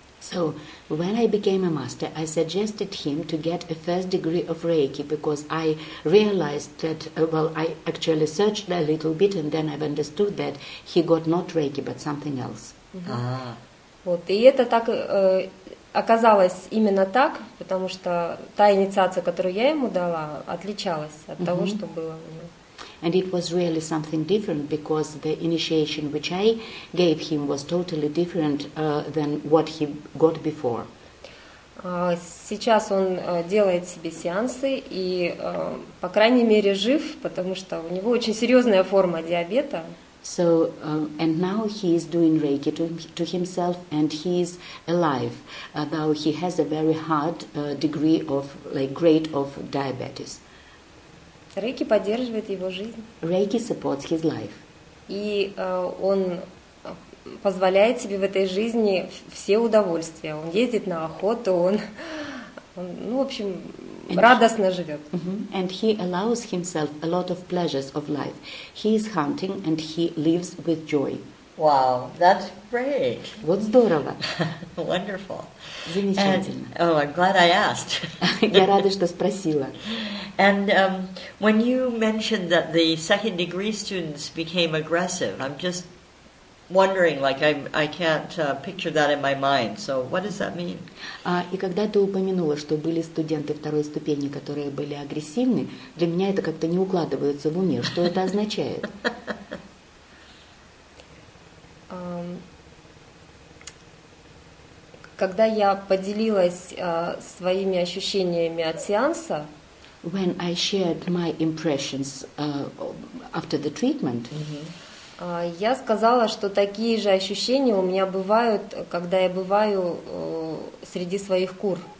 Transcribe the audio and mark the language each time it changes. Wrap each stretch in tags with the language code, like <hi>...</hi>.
<en>So, when I became a master, I suggested him to get a first degree of Reiki because I realized that, I actually searched a little bit and then I've understood that he got not Reiki, but something else.</en> <ru>Вот, и это так оказалось именно так, потому что та инициация, которую я ему дала, отличалась от того, что было у него.</ru> <en>And it was really something different because the initiation which I gave him was totally different than what he got before.</en> <ru>Сейчас он делает себе сеансы и, по крайней мере, жив, потому что у него очень серьезная форма диабета.</ru> <en>So, and now he is doing Reiki to himself and he is alive, though he has a very hard degree of, like, grade of diabetes.</en> <ru>Рейки поддерживает его жизнь.</ru> <en>Reiki supports his life.</en> <ru>И он позволяет себе в этой жизни все удовольствия. Он ездит на охоту, он ну, в общем,</ru> <en>and</en> <ru>радостно живет.</ru> <en>And he allows himself a lot of pleasures of life. He is hunting and he lives with joy. Wow, that's great.</en> <ru>Вот здорово.</ru> <en>Wonderful.</en> <ru>Замечательно.</ru> <en>And, oh, I'm glad I asked.</en> <ru>Я рада, что спросила.</ru> <en>And when you mentioned that the second degree students became aggressive, I'm just wondering, like I can't picture that in my mind. So what does that mean?</en> <ru>И когда ты упомянула, что были студенты второй ступени, которые были агрессивны, для меня это как-то не укладывается в уме. Что это означает? Когда я поделилась своими ощущениями от сеанса,</ru> <en>when I shared my impressions after the treatment,</en> <ru>я сказала, что такие же ощущения у меня бывают, когда я бываю среди своих кур.</ru>